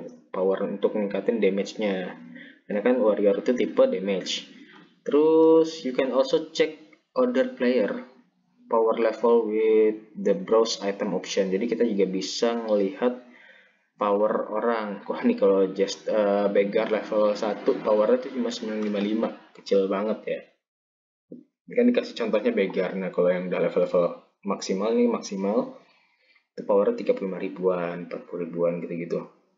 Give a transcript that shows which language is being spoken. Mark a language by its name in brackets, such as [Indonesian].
[Indonesian] Power untuk meningkatin damage-nya, karena kan warrior itu tipe damage. [English] Terus you can also check other player power level with the browse item option. [Indonesian] Jadi kita juga bisa melihat power orang. Wah nih kalau just beggar level 1 powernya itu cuma 955, kecil banget ya. Ini kan dikasih contohnya beggar. Nah kalau yang udah level-level maksimal nih, maksimal itu powernya 35 ribuan, 40 ribuan gitu-gitu.